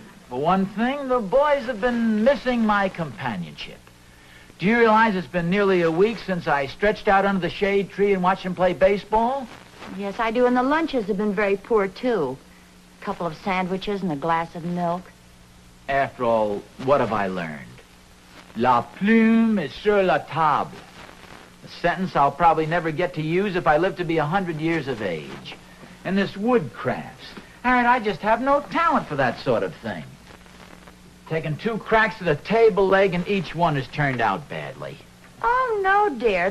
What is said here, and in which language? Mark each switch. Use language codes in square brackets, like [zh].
[en] Well, for one thing, the boys have been missing my companionship. Do you realize it's been nearly a week since I stretched out under the shade tree and watched them play baseball? Yes, I do, and the lunches have been very poor, too. A couple of sandwiches and a glass of milk. After all, what have I learned? [fr] La plume est sur la table. [en] A sentence I'll probably never get to use if I live to be 100 years of age. And this woodcrafts. Aaron, I just have no talent for that sort of thing. Taking two cracks at a table leg and each one has turned out badly. Oh, no, dear.